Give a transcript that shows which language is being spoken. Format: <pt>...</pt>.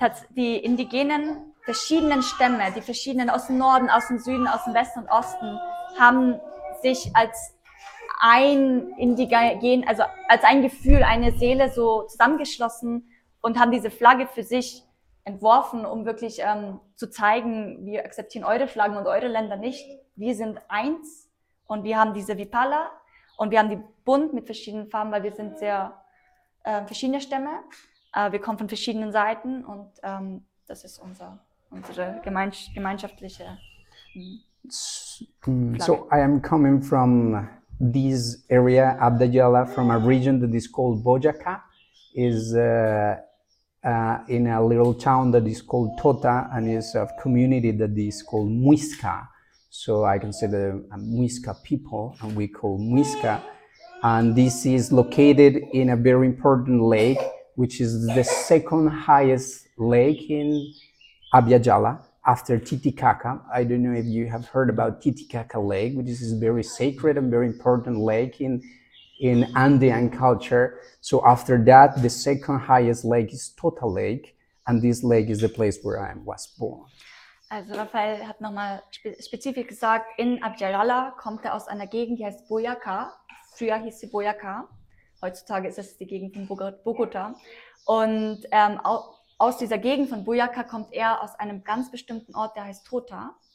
<de>Die indigenen verschiedenen Stämme, die verschiedenen aus dem Norden, aus dem Süden, aus dem Westen und Osten, haben sich als ein Indigen, also als ein Gefühl, eine Seele so zusammengeschlossen und haben diese Flagge für sich entworfen, um wirklich zu zeigen, wir akzeptieren eure Flaggen und eure Länder nicht. Wir sind eins und wir haben diese Wipala. Und wir haben die bunt mit verschiedenen Farben, weil wir sind sehr verschiedene Stämme. Wir kommen von verschiedenen Seiten und das ist unsere gemeinschaftliche Flagge.</de> <en>So I am coming from this area, Abya Jala, from a region that is called Boyacá. Is in a little town that is called Tota, and is a community that is called Muisca. So I can say the Muisca people, and we call Muisca. And this is located in a very important lake, which is the second highest lake in Abya Jala after Titicaca. I don't know if you have heard about Titicaca Lake, which is a very sacred and very important lake in Andean culture. So after that, the second highest lake is Tota Lake, and this lake is the place where I was born.</en> <de>Also Rafael hat nochmal spezifisch gesagt, in Abya Jala kommt er aus einer Gegend, die heißt Boyacá. Früher hieß sie Boyacá. Heutzutage ist es die Gegend von Bogota. Und aus dieser Gegend von Boyacá kommt er aus einem ganz bestimmten Ort, der heißt Tota.</de>